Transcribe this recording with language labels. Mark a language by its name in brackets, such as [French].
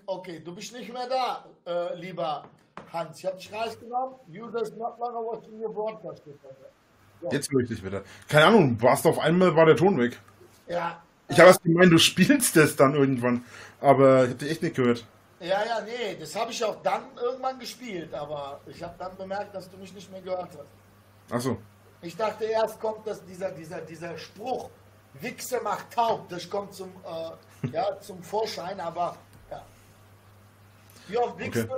[German] Okay, du bist nicht mehr da, lieber Hans. Ich habe dich rausgenommen. [English] User is not longer watching your broadcast. [German] Ja. Jetzt höre ich dich wieder. Keine Ahnung, warst auf einmal war der Ton weg. Ja. Ich habe erst gemeint, du spielst das dann irgendwann. Aber ich habe dich echt nicht gehört. Ja, ja, nee, das habe ich auch dann irgendwann gespielt. Aber ich habe dann bemerkt, dass du mich nicht mehr gehört hast. Ach so. Ich dachte erst kommt das, dieser Spruch, Wichse macht taub, das kommt zum, ja, zum Vorschein. Aber, ja. Wie oft Wichse okay.